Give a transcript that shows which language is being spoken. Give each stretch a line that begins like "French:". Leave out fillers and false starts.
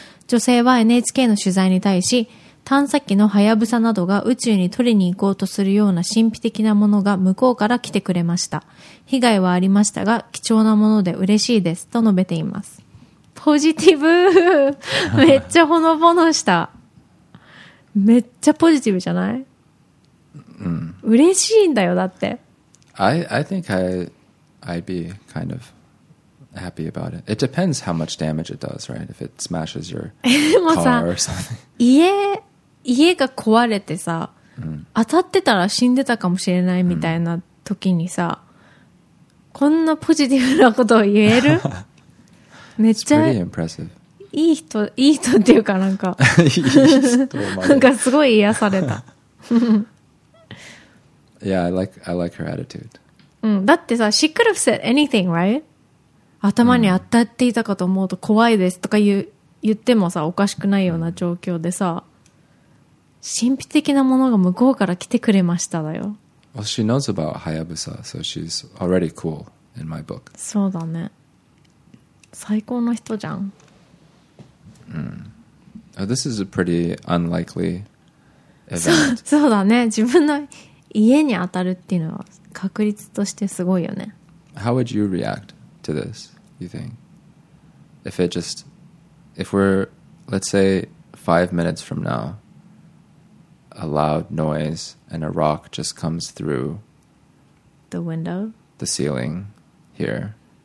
Japanese: 女性は NHK の取材に対し、探査機のハヤブサなどが宇宙に取りに行こうとするような神秘的なものが向こうから来てくれました。被害はありましたが貴重なもので嬉しいですと述べています。ポジティブめっちゃほのぼのした。めっちゃポジティブじゃない？うん。嬉しいんだよだって。
English: I think I'd be kind of happy about it. It depends how much damage it does, right? If it smashes your car or something.
Japanese: 家が壊れてさ、当たってたら死んでたかもしれないみたいな時にさ、こんなポジティブなことを言える？めっちゃ。
English: It's pretty impressive.
Japanese: いい人っていうかなんか、なんかすごい癒された。
English: Yeah, I like her attitude.
Japanese: うん、だってさ、
English: she could have said anything, right?
Japanese: 頭に当たっていたかと思うと怖いですとか言ってもさ、おかしくないような状況でさ、神秘的なものが向こうから来てくれましただよ。
English: Well, she knows about Hayabusa, so she's already cool in my book.
Japanese: そうだね。最高の人じゃん。
English: Mm. Oh, this is a pretty unlikely event.
Japanese: そうだね。自分の家に当たるっていうのは確率としてすごいよね。
English: How would you react to this, you think? If it just, if we're, let's say, 5 minutes from now, a loud noise and a rock just comes through the window? The ceiling here.